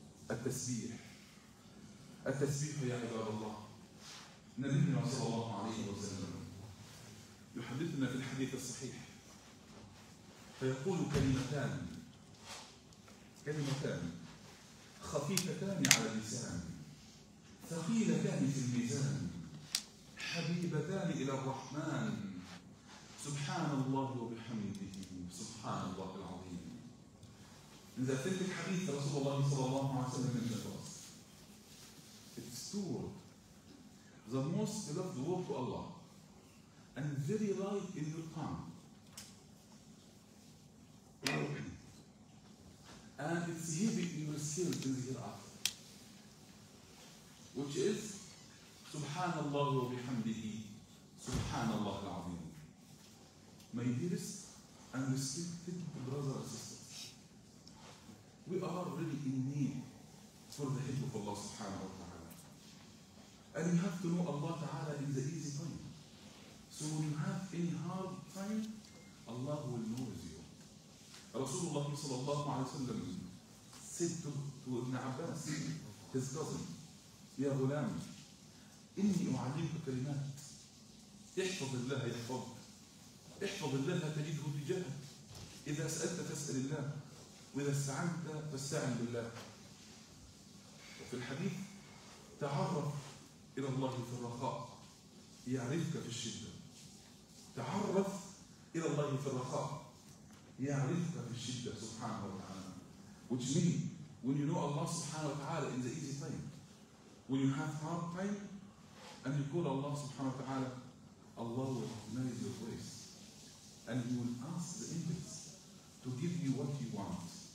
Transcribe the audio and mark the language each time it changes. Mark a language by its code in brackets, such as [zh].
[ar] التسبيح, التسبيح يا عباد الله, نبينا صلى الله عليه وسلم يحدثنا في الحديث الصحيح فيقول كلمتان, كلمتان خفيفتان على اللسان, ثقيلتان في الميزان, حبيبتان إلى الرحمن, سبحان الله وبحمده سبحان الله العظيم. إذا تلك الحديث رسول الله صلى الله عليه وسلم من الفرس, [en] it's two words, the most beloved word to Allah and very light in your tongue and it's heavy in your skill in the hereafter, which is [ar] سبحان الله وبحمده سبحان الله العظيم. [en] My dearest and respected brothers and sisters, we are really in need for the help of Allah subhanahu wa ta'ala. And we have to know Allah ta'ala in the easy time. So when you have any hard time, Allah will know [ar] رسول الله صلى الله عليه وسلم سد ابن عباس [en] his cousin [ar] يا غلام إني أعلمك كلمات احفظ الله يحفظك احفظ الله تجده تجاهك إذا سألت فاسأل الله وإذا استعنت فاستعن بالله. وفي الحديث تعرف إلى الله في الرخاء يعرفك في الشدة. تعرف إلى الله في الرخاء يعرفك في الشدة سبحانه وتعالى. [en] Which means when you know Allah سبحانه وتعالى in the easy time, when you have hard time, and you call Allah سبحانه وتعالى, Allah will recognize your voice, and He will ask the angels to give you what you want.